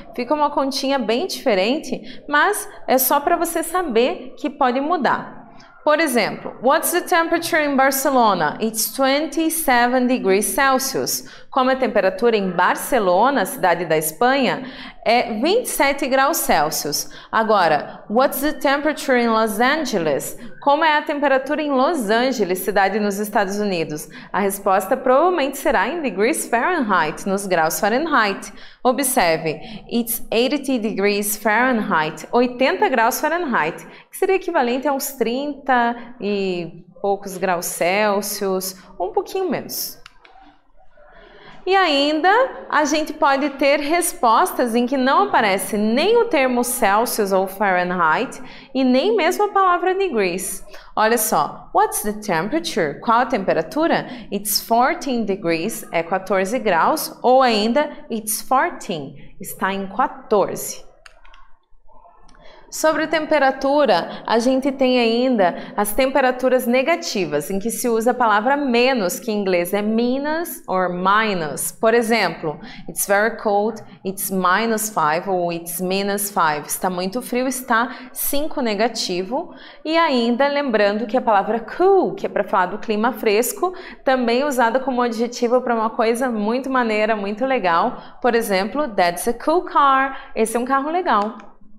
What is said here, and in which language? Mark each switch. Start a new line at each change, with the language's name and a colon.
Portuguese: Fica uma continha bem diferente, mas é só para você saber que pode mudar. Por exemplo,
English: What's the temperature in Barcelona? It's 27 degrees Celsius.
Portuguese: Como a temperatura em Barcelona, cidade da Espanha, é 27 graus Celsius. Agora,
English: What's the temperature in Los Angeles?
Portuguese: Como é a temperatura em Los Angeles, cidade nos Estados Unidos? A resposta provavelmente será em degrees Fahrenheit, nos graus Fahrenheit. Observe,
English: it's 80 degrees Fahrenheit,
Portuguese: 80 graus Fahrenheit, que seria equivalente a uns 30 e poucos graus Celsius, um pouquinho menos. E ainda, a gente pode ter respostas em que não aparece nem o termo Celsius ou Fahrenheit e nem mesmo a palavra degrees. Olha só,
English: what's the temperature?
Portuguese: Qual a temperatura?
English: It's 14 degrees,
Portuguese: é 14 graus, ou ainda,
English: it's 14,
Portuguese: está em 14. Sobre temperatura, a gente tem ainda as temperaturas negativas, em que se usa a palavra menos, que em inglês é minus or minus. Por exemplo,
English: it's very cold, it's minus 5 ou it's minus 5.
Portuguese: Está muito frio, está 5 negativo. E ainda lembrando que a palavra cool, que é para falar do clima fresco, também é usada como adjetivo para uma coisa muito maneira, muito legal. Por exemplo,
English: that's a cool car.
Portuguese: Esse é um carro legal.